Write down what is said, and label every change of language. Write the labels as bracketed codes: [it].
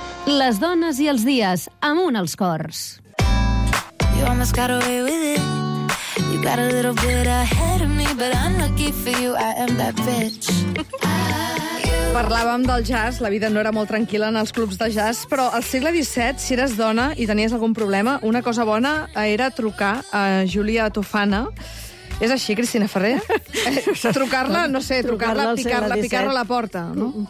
[ca] Les dones i els dies, amunt els cors. [en] You almost got away with it. You got a little bit ahead of me, but I'm lucky for you, I am that bitch. [ca] Parlàvem del jazz, la vida no era molt tranquil·la en els clubs de jazz, però al segle XVII, si eres dona i tenies algun problema, una cosa bona era trucar a Júlia Tofana. És així, Cristina Ferrer? Trucar-la, no sé, trucar-la, picar-la, picar-la a la porta, no?